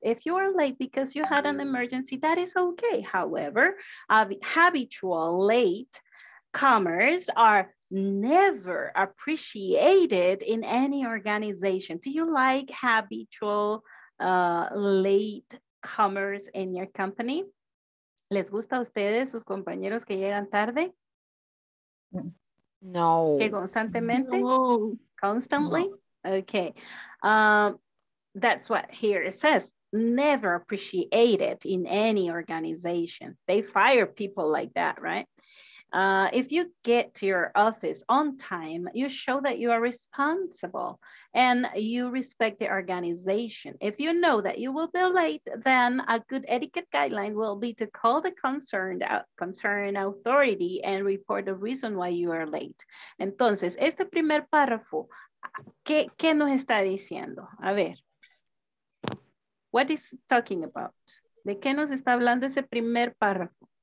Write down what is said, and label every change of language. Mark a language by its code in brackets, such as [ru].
[en] If you are late because you had an emergency, that is okay. However, habitual late comers are never appreciated in any organization. Do you like habitual late comers in your company? [es] ¿Les gusta a ustedes, sus compañeros que llegan tarde? No. ¿Que constantemente? No. [en] Constantly? No. Okay. That's what here it says. Never appreciated in any organization. They fire people like that, right? If you get to your office on time, you show that you are responsible and you respect the organization. If you know that you will be late, then a good etiquette guideline will be to call the concerned authority and report the reason why you are late. [es] Entonces, este primer párrafo, ¿qué nos está diciendo? A ver, [en] what is talking about? [es] ¿De qué nos está hablando ese primer párrafo?